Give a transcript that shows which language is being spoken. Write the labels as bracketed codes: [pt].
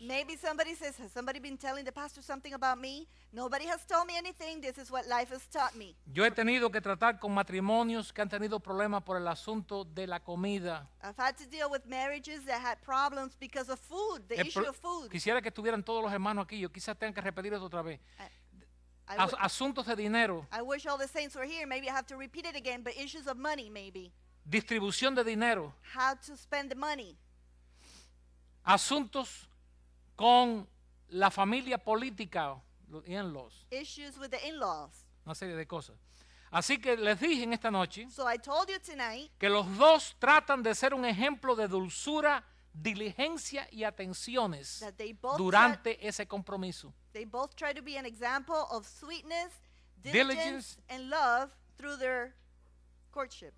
[en] Maybe somebody says, has somebody been telling the pastor something about me? Nobody has told me anything, this is what life has taught me. [es] Yo he tenido que tratar con matrimonios que han tenido problemas por el asunto de la comida. [en] I've had to deal with marriages that had problems because of food, the issue of food. [es] Quisiera que estuvieran todos los hermanos aquí, yo quizás tenga que repetir eso otra vez. Asuntos de dinero. [en] I wish all the saints were here, maybe I have to repeat it again, but issues of money maybe. [es] Distribución de dinero. [en] How to spend the money. [es] Asuntos con la familia política. In-laws. [en] Issues with the in-laws. [es] Una serie de cosas. Así que les dije en esta noche, [en] so I told you tonight, [es] que los dos tratan de ser un ejemplo de dulzura, diligencia y atenciones durante ese compromiso. [en] They both try to be an example of sweetness, diligence and love through their courtship.